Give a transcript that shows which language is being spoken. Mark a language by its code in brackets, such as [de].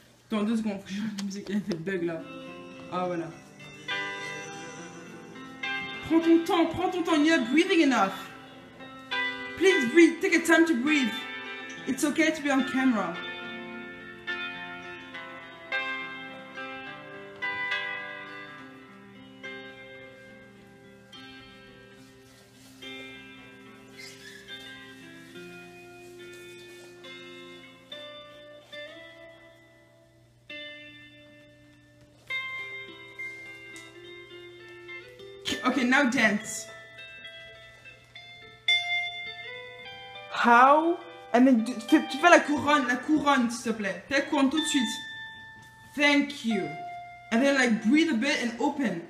[fr] Attends deux secondes, faut que je joue la musique, il y a des bugs là. Ah voilà. Prends ton temps, [en] you're breathing enough. Please breathe, take a time to breathe. It's okay to be on camera. Okay, now dance. How? And then [fr] tu fais la couronne, s'il te plaît. Fais la couronne tout de suite. [en] Thank you. And then like breathe a bit and open.